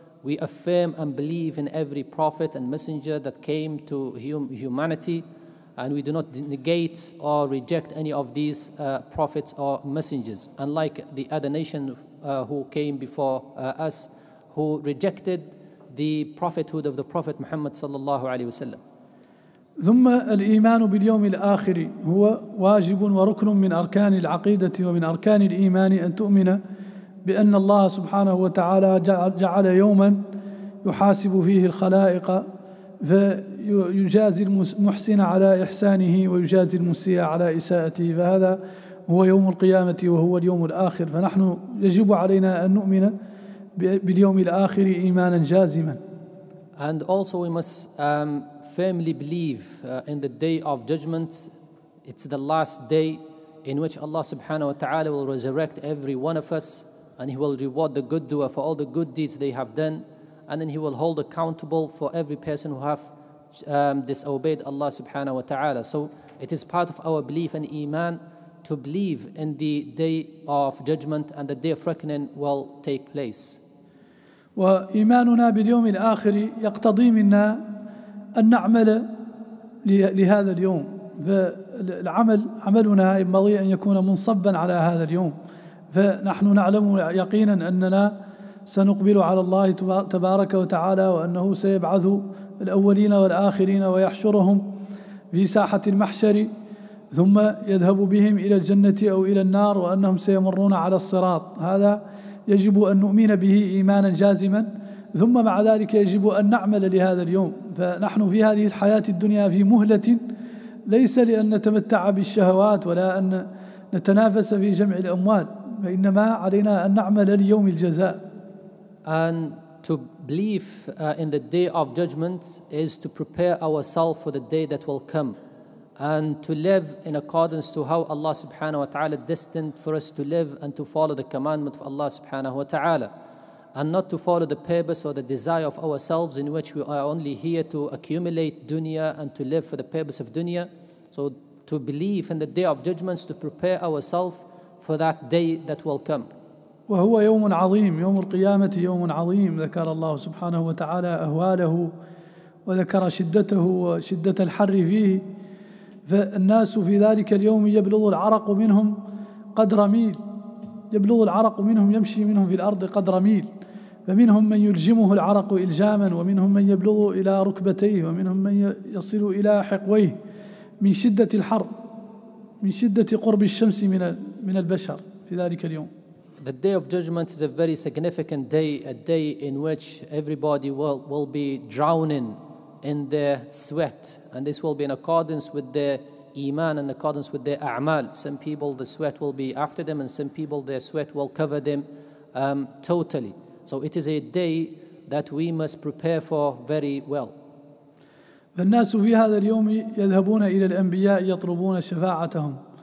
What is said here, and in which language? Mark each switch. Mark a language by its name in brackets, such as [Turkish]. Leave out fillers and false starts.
[English] We affirm and believe in every prophet and messenger that came to humanity, and we do not negate or reject any of these prophets or messengers, unlike the other nation who came before us, who rejected the prophethood of the Prophet Muhammad sallallahu alaihi wasallam. [Arabic] ثم الإيمان باليوم الآخر هو واجب وركن من أركان العقيدة ومن أركان الإيمان, أن تؤمن بأن الله سبحانه وتعالى جعل يوما يحاسب فيه الخلائق فيجازي المحسن على إحسانه ويجازي المسيء على إساءته, فهذا هو يوم القيامة وهو اليوم الآخر. فنحن يجب علينا أن نؤمن باليوم الآخر إيمانا جازما. [English] And also we must firmly believe in the day of judgment. It's the last day in which Allah subhanahu wa ta'ala will resurrect every one of us, and he will reward the good doer for all the good deeds they have done, and then he will hold accountable for every person who have disobeyed Allah subhanahu wa ta'ala. So it is part of our belief in iman to believe in the day of judgment and the day of reckoning will take place. [Arabic] وإيماننا باليوم الآخر يقتضي منا أن نعمل لهذا اليوم, فالعمل عملنا ينبغي أن يكون منصبا على هذا اليوم, فنحن نعلم يقينا أننا سنقبل على الله تبارك وتعالى, وأنه سيبعث الأولين والآخرين ويحشرهم في ساحة المحشر, ثم يذهب بهم إلى الجنة أو إلى النار, وأنهم سيمرون على الصراط. هذا يجب أن نؤمن به إيمانا جازما, ثم مع ذلك يجب أن نعمل لهذا اليوم. فنحن في هذه الحياة الدنيا في مهلة, ليس لأن نتمتع بالشهوات ولا أن نتنافس في جمع الأموال, فإنما علينا أن نعمل ليوم الجزاء. [English] and to believe in the day of judgment is to prepare ourselves for the day that will come and to live in accordance to how Allah subhanahu wa ta'ala destined for us to live and to follow the commandment of Allah subhanahu wa ta'ala and not to follow the purpose or the desire of ourselves in which we are only here to accumulate dunya and to live for the purpose of dunya. So to believe in the day of judgments, to prepare ourselves for that day that will come. [Arabic] وهو يوم عظيم يوم القيامة يوم عظيم ذكر الله سبحانه وتعالى أهواله وذكر شدته وشدة الحر فيه فالناس في ذلك اليوم يبلغ العرق منهم قدر ميل يبلغ العرق منهم يمشي منهم في الأرض قدر ميل فمنهم من يلجمه العرق إلجاما ومنهم من يبلغ إلى ركبتيه ومنهم من يصل إلى حقويه من شدة الحر من شدة قرب الشمس من البشر في ذلك اليوم. [English] The day of judgment is a very significant day, a day in which everybody will be drowning in their sweat. And this will be in accordance with their iman, in accordance with their a'mal. Some people, the sweat will be after them, and some people, their sweat will cover them totally. So it is a day that we must prepare for very well. [Arabic] فالناس في هذا اليوم يذهبون إلى الأنبياء يطلبون شفاعتهم.